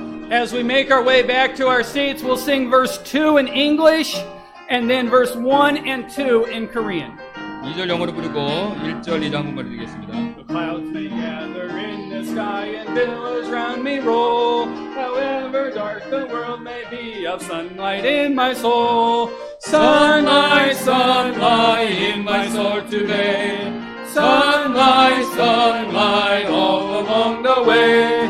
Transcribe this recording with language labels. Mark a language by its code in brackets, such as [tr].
[en] As we make our way back to our seats, we'll sing verse 2 in English and then verse 1 and 2 in Korean. [ko] 2절 영어로 부르고 1절 2장 한번 드리겠습니다. [en] The clouds They gather in the sky and billows round me roll. However dark the world may be, of sunlight in my soul. Sunlight, sunlight in my soul today. Sunlight, sunlight all along the way.